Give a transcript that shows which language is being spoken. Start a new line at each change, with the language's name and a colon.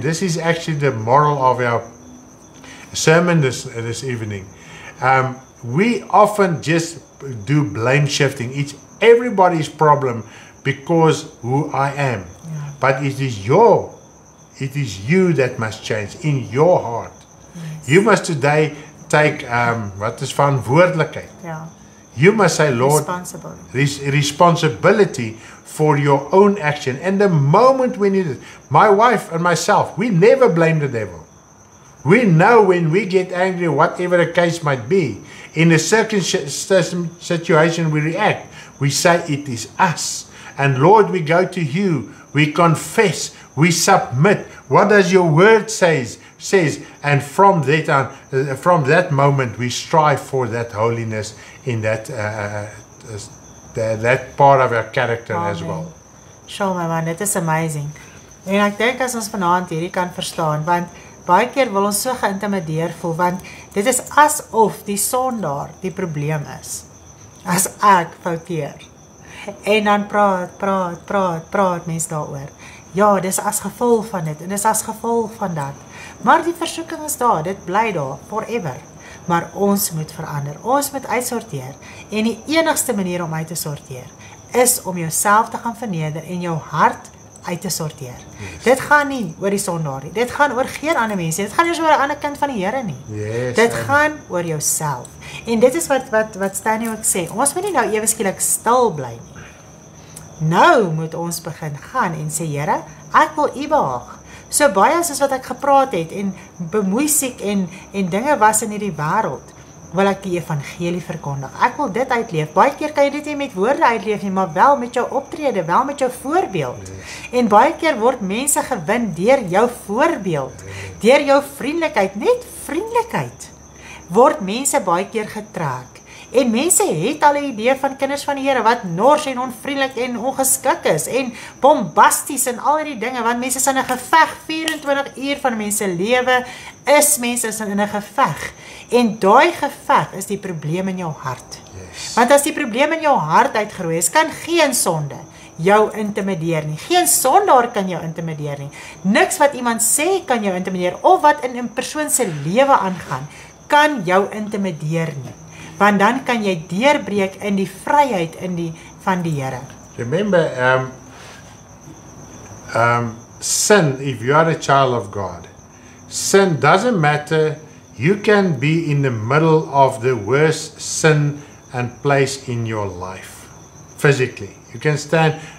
English: This is actually the moral of our sermon this evening. We often just do blame shifting. It's everybody's problem because who I am. Yeah. But it is you that must change in your heart. Yes. You must today take
Afrikaans: wat is verantwoordelijkheid.
English: You must say, Lord, responsibility for your own action. And the moment we need it, my wife and myself, we never blame the devil. We know when we get angry, whatever the case might be, in a certain situation we react, we say it is us. And Lord, we go to you, we confess, we submit. What does your word says? And from that on, from that moment, we strive for that holiness in that that part of our character as well. Sure, my man, that is amazing.
Afrikaans: En ek dink as ons vanaand hierdie kan verstaan, want baie keer wil ons so geïntimideer voel, want dit is asof die sondaar die probleem is. As ek fouteer. En dan praat mens daaroor. Ja, dis as gevolg van dit, en dis as gevolg van dat. Maar die versoeking is daar, dit bly daar, forever. Maar ons moet verander, ons moet uitsorteer. En die enigste manier om uit te sorteer, is om jouself te gaan verneder en jou hart uit te sorteer.
English: Yes.
Afrikaans: Dit gaan nie oor die sondaar nie, dit gaan oor geen ander mens nie, dit gaan nie oor 'n ander kind van die Here nie.
English: Yes,
Afrikaans: dit gaan oor jouself. En dit is wat Stanley ook sê, ons moet nie nou eweskielik stil bly nie. Nou moet ons begin gaan en sê, Here, ek wil U behaag. So baie as wat ek gepraat het en bemoeisiek en dinge was in hierdie wêreld, wil ek die evangelie verkondig. Ek wil dit uitleef. Baie keer kan jy dit nie met woorde uitleef nie, maar wel met jou optrede, wel met jou voorbeeld.
English: Yes.
Afrikaans: En baie keer word mense gewin deur jou voorbeeld, deur jou vriendelikheid, net vriendelikheid, word mense baie keer getrek. En mense het al 'n idee van kinders van die Here wat nors en onvriendelik en ongeskik is en bombasties en al die dinge, want mense is in 'n geveg, 24 uur van mense lewe is mense is in 'n geveg. En daai geveg is die probleem in jou hart.
English: Yes.
Afrikaans: Want as die probleem in jou hart uitgroei, is kan geen sonde jou intimideer nie. Geen sondaar kan jou intimideer nie. Niks wat iemand sê kan jou intimideer of wat in 'n persoon se lewe aangaan, kan jou intimideer nie. Want dan kan jy deurbreek in die vryheid in die van die Here.
English: Remember sin, if you are a child of God, sin doesn't matter. You can be in the middle of the worst sin and place in your life. physically. You can stand.